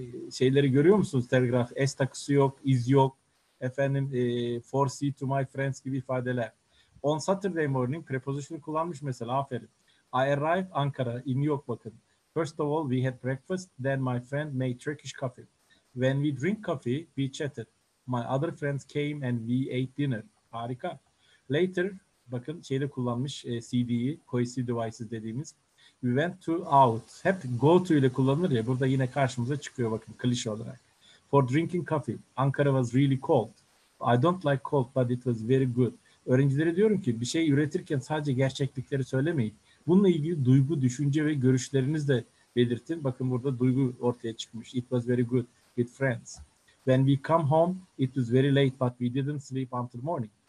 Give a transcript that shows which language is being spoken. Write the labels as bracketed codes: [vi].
[tr] Şeyleri görüyor musunuz? Telgraf, S takısı yok, is yok. Efendim, [en] for see to my friends [tr] gibi ifadeler. [en] On Saturday morning preposition [tr] kullanmış mesela, aferin. [en] I arrived Ankara, in New York [tr] bakın. [en] First of all we had breakfast, then my friend made Turkish coffee. When we drink coffee, we chatted. My other friends came and we ate dinner. [tr] Harika. [en] Later, [tr] bakın şeyde kullanmış CD'yi, cohesive devices dediğimiz. [en] We went to out. [tr] Hep go to ile kullanılır ya, burada yine karşımıza çıkıyor bakın klişe olarak. [en] For drinking coffee, Ankara was really cold. I don't like cold but it was very good. [tr] Öğrencilere diyorum ki bir şey üretirken sadece gerçeklikleri söylemeyin. Bununla ilgili duygu, düşünce ve görüşlerinizi de belirtin. Bakın burada duygu ortaya çıkmış. [en] It was very good with friends. When we come home, it was very late but we didn't sleep until morning.